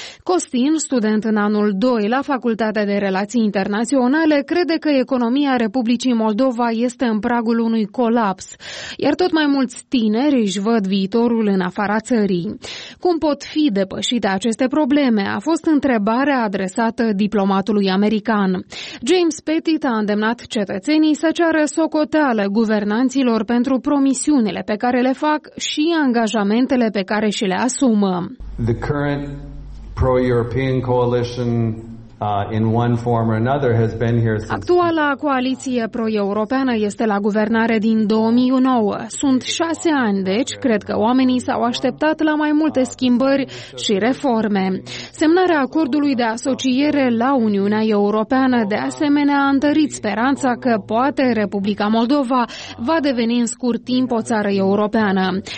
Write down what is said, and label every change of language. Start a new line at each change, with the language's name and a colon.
Romanian: Costin, student în anul 2 la Facultatea de Relații Internaționale, crede că economia Republicii Moldova este în pragul unui colaps, iar tot mai mulți tineri își văd viitorul în afara țării. Cum pot fi depășiți depășit aceste probleme, a fost întrebarea adresată diplomatului american. James Pettit a îndemnat cetățenii să ceară socoteală guvernanților pentru promisiunile pe care le fac și angajamentele pe care și le asumă.
English: The current pro-European coalition in one form or another has been here since...
Romanian: Actuala coaliție pro-europeană este la guvernare din 2009. Sunt 6 ani, deci cred că oamenii s-au așteptat la mai multe schimbări și reforme. Semnarea acordului de asociere la Uniunea Europeană de asemenea a întărit speranța că poate Republica Moldova va deveni în scurt timp o țară europeană.